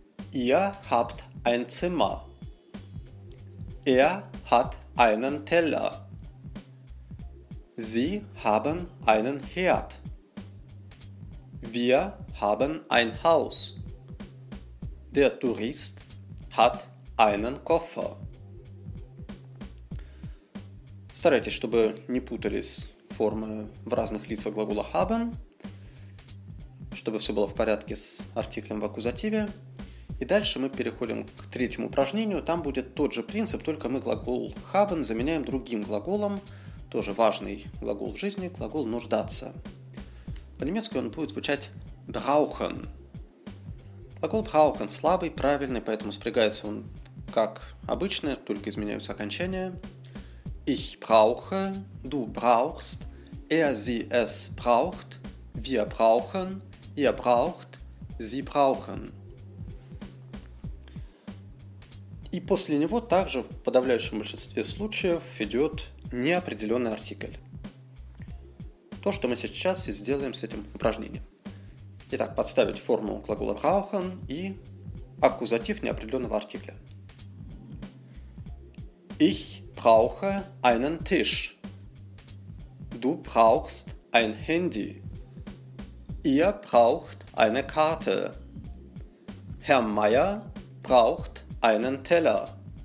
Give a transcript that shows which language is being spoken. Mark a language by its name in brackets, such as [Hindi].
[German] Ihr habt ein Zimmer. Er hat einen Teller. Sie haben einen Herd. Wir haben ein Haus. Der Tourist hat einen Koffer. [Russian] Старайтесь, чтобы не путались формы в разных лицах глагола haben, чтобы все было в порядке с артиклем в аккузативе. И дальше мы переходим к третьему упражнению. Там будет тот же принцип, только мы глагол haben заменяем другим глаголом, тоже важный глагол в жизни, глагол нуждаться. По-немецки он будет звучать brauchen. Глагол brauchen слабый, правильный, поэтому спрягается он как обычно, только изменяются окончания. [German] Ich brauche, du brauchst, er, sie, es braucht, wir brauchen, ihr braucht, sie brauchen. [Russian] И после него также в подавляющем большинстве случаев идет неопределенный артикль. То, что мы сейчас и сделаем с этим упражнением. Итак, подставить форму глагола brauchen и аккузатив неопределенного артикля. [German] Ich brauche einen Tisch. Du brauchst ein Handy. Ihr braucht eine Karte. Herr Meier braucht einen Teller.